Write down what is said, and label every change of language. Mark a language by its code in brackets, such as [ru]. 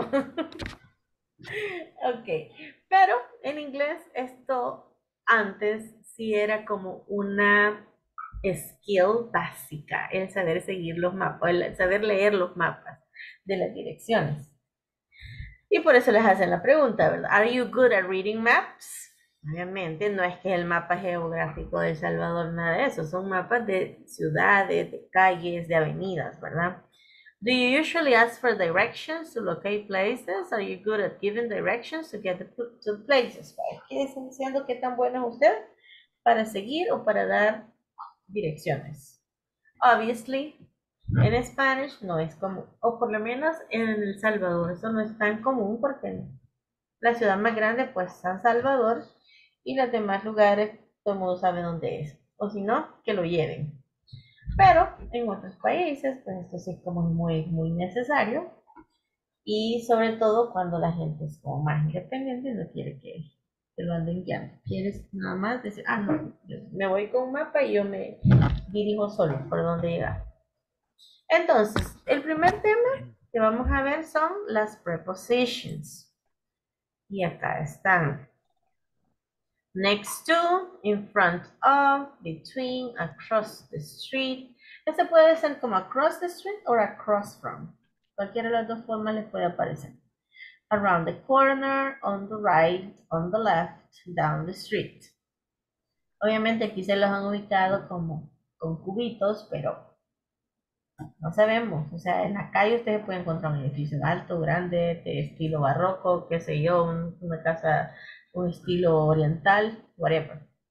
[es] Ok, pero en inglés esto antes sí era como una skill básica, el saber seguir los mapas, el saber leer los mapas de las direcciones. Y por eso les hacen la pregunta, ¿verdad? [en] Are you good at reading maps? [es] Obviamente, no es que el mapa geográfico de El Salvador, nada de eso. Son mapas de ciudades, de calles, de avenidas, ¿verdad? [en] Do you usually ask for directions to locate places? Are you good at giving directions to get to places? [es] ¿Qué están diciendo? ¿Qué tan bueno es usted para seguir o para dar direcciones? Obviously. En Spanish no es común, o por lo menos en El Salvador eso no es tan común porque la ciudad más grande pues San Salvador y los demás lugares todo el mundo sabe dónde es, o si no, que lo lleven. Pero en otros países pues esto sí es como muy, muy necesario y sobre todo cuando la gente es como más independiente y no quiere que te lo anden guiando. Quieres nada más decir, ah no, yo me voy con un mapa y yo me dirijo solo por dónde llegar. Entonces, el primer tema que vamos a ver son las prepositions. Y acá están. [en] Next to, in front of, between, across the street. [es] Este puede ser como across the street o across from. Cualquiera de las dos formas les puede aparecer. [en] Around the corner, on the right, on the left, down the street. [es] Obviamente aquí se los han ubicado como con cubitos, pero no sabemos, o sea, en la calle ustedes pueden encontrar un edificio alto, grande, de estilo barroco, qué sé yo, una casa, un estilo oriental, whatever.